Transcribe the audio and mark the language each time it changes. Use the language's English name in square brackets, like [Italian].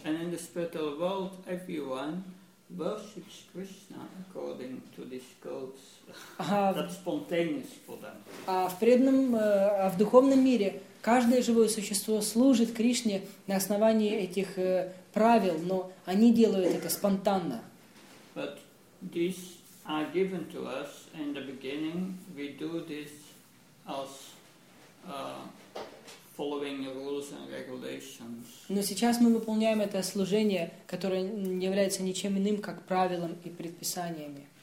[English] And in the spiritual world, everyone worships Krishna according to these codes. That's spontaneous for them. [Russian] А в преданном, а в духовном мире каждое живое существо служит Кришне на основании этих правил, но они делают это спонтанно. [English] But these are given to us in the beginning. We do this as following rules and regulations. [Russian] Но сейчас мы выполняем это служение, которое не является ничем иным, как правилом и предписаниями.